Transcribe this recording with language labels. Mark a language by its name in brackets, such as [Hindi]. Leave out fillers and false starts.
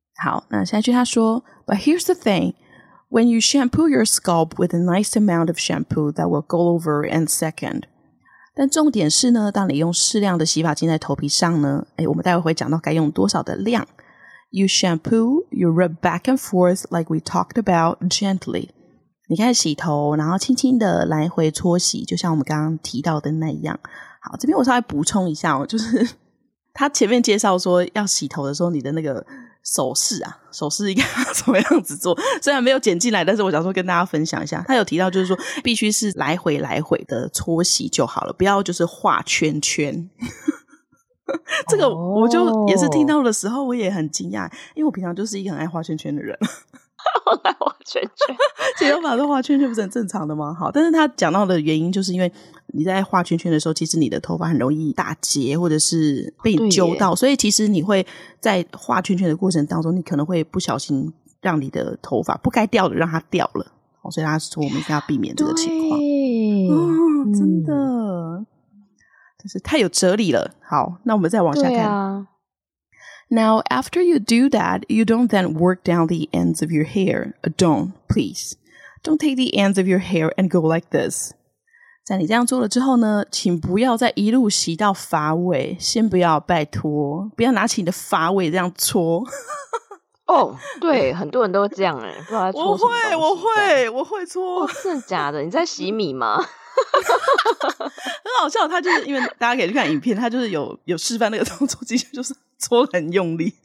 [Chinese] 好，那下一句他说 [English] But here's the thing, when you shampoo your scalp with a nice amount of shampoo that will go over in a second. [Chinese] 但重点是呢，当你用适量的洗发精在头皮上呢，诶，我们待会会讲到该用多少的量。 [English] You shampoo, you rub back and forth like we talked about, gently. [Chinese] 你开始洗头，然后轻轻的来回搓洗，就像我们刚刚提到的那样。好，这边我稍微补充一下哦，就是他前面介绍说要洗头的时候，你的那个手势啊，手势应该要怎么样子做？虽然没有剪进来，但是我想说跟大家分享一下，他有提到就是说必须是来回的搓洗就好了，不要就是画圈圈。这个我就也是听到的时候我也很惊讶，因为我平常就是一个很爱画圈圈的人。我爱画圈圈，剪头发都画圈圈不是很正常的吗？好，但是他讲到的原因就是因为你在画圈圈的时候，其实你的头发很容易打结或者是被你揪到，所以其实你会在画圈圈的过程当中，你可能会不小心让你的头发不该掉的让它掉了，所以他说我们一定要避免这个情况。对、哦、真的、嗯，真是太有哲理了。好，那我们再往下看。对啊。 [English] Now, after you do that, you don't then work down the ends of your hair. Don't, please. Don't take the ends of your hair and go like this. [Chinese] 在你这样做了之后呢，请不要再一路洗到发尾，先不要，拜托，不要拿起你的发尾这样搓。哦、oh, ，对，很多人都这样哎，不知道在搓什么东西。我会搓。真的假的？你在洗米吗？很好笑，他就是因为大家可以去看影片，他就是有示范那个动作，其实就是搓很用力。